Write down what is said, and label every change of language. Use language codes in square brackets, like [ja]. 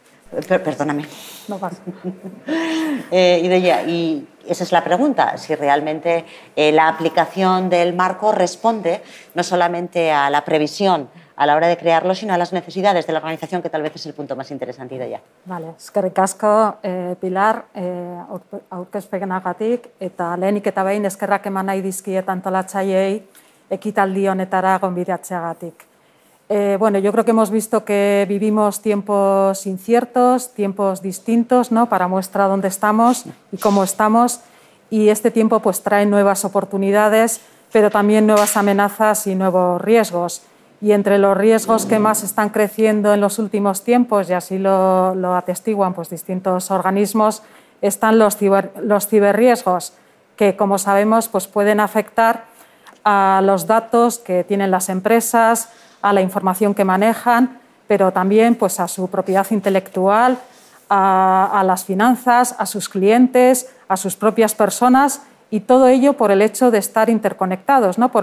[es] Perdóname. No pasa. Idoia, y esa es la pregunta, si realmente la aplicación del marco responde no solamente a la previsión a la hora de crearlo, sino a las necesidades de la organización, que tal vez es el punto más interesante, Idoia. [eu] Vale, eskerrik asko, Pilar, aurkezpenagatik, eta lehenik eta behin eskerrak eman nahi dizkiet antolatzaileei ekitaldi honetara gonbidatzeagatik. [es] Bueno, yo creo que hemos visto que vivimos tiempos inciertos, tiempos distintos, ¿no? Para muestra dónde estamos y cómo estamos. Y este tiempo pues trae nuevas oportunidades, pero también nuevas amenazas y nuevos riesgos. Y entre los riesgos que más están creciendo en los últimos tiempos, y así lo atestiguan pues distintos organismos, están los ciberriesgos, que como sabemos pues pueden afectar a los datos que tienen las empresas, a la información que manejan, pero también pues, a su propiedad intelectual, a las finanzas, a sus clientes, a sus propias personas, y todo ello por el hecho de estar interconectados, ¿no?